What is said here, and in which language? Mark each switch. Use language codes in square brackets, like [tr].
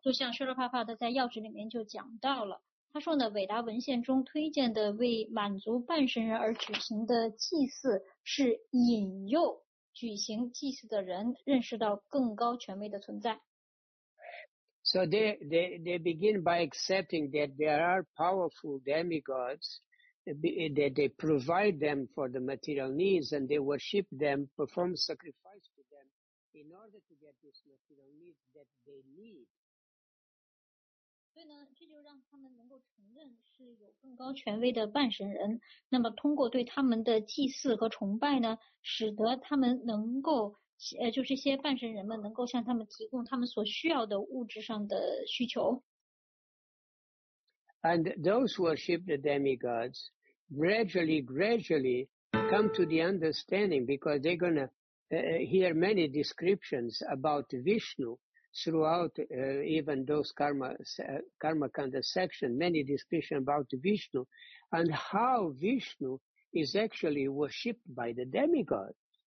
[zh] 就像舍勒帕帕的在要旨里面就讲到了，他说呢，伟大文献中推荐的为满足半神人而举行的祭祀是引诱举行祭祀的人认识到更高权威的存在。 [en] So they begin by accepting that there are powerful demigods, that they provide them for the material needs, and they worship them, perform sacrifice to them in order to get this material needs that they need. [zh] 所以呢，这就让他们能够承认是有更高权威的半神人。那么通过对他们的祭祀和崇拜呢，使得他们能够，就这些半神人们能够向他们提供他们所需要的物质上的需求。 [en] And those who worship the demigods gradually come to the understanding, because they're going to hear many descriptions about Vishnu throughout even those karma kanda section, many descriptions about Vishnu and how Vishnu is actually worshipped by the demigods.